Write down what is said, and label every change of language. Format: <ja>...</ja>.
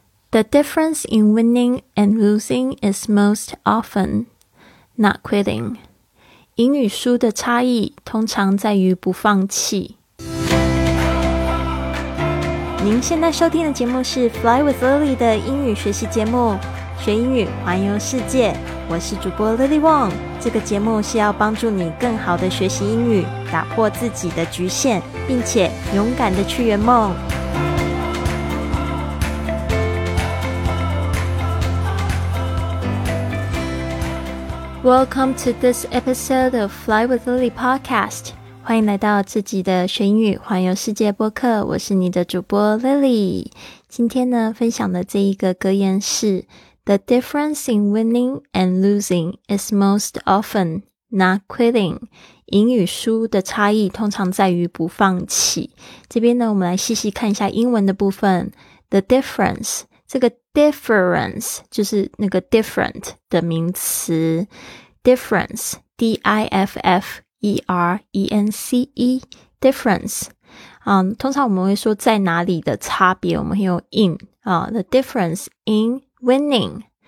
<en>The difference in winning and losing is most often not quitting.</en> <zh>赢与输的差异通常在于不放弃。您现在收听的节目是 Fly with Lily 的英语学习节目，学英语环游世界。我是主播 Lily Wong。这个节目是要帮助你更好的学习英语，打破自己的局限，并且勇敢的去圆梦。</zh> <en>Welcome to this episode of Fly with Lily podcast.</en> <zh>欢迎来到自己的学英语环游世界播客，我是你的主播 Lily。今天呢，分享的这一个格言是</zh> <en>The difference in winning and losing is most often not quitting.</en> <zh>赢与输的差异通常在于不放弃。这边呢，我们来细细看一下英文的部分。The difference，这个 difference 就是那个 different 的名词， difference, D-I-F-F-E-R-E-N-C-E, difference、通常我们会说在哪里的差别，我们会用 in、</zh> <en>the difference in winning</en>